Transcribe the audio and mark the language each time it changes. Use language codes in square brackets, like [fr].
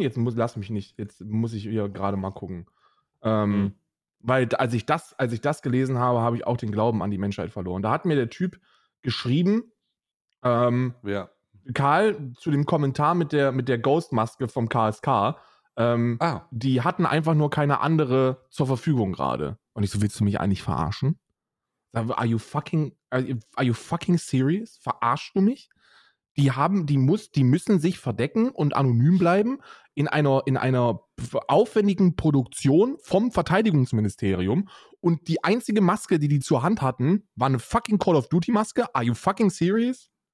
[de] Jetzt muss ich hier gerade mal gucken. Weil als ich das gelesen habe, habe ich auch den Glauben an die Menschheit verloren. Da hat mir der Typ geschrieben, Karl, zu dem Kommentar mit der Ghost-Maske vom KSK, die hatten einfach nur keine andere zur Verfügung gerade. Und ich so, willst du mich eigentlich verarschen? [en] Are you fucking serious? [de] Verarschst du mich? Die müssen sich verdecken und anonym bleiben in einer aufwendigen Produktion vom Verteidigungsministerium und die einzige Maske, die die zur Hand hatten, war eine fucking Call of Duty Maske. [en] Are you fucking serious?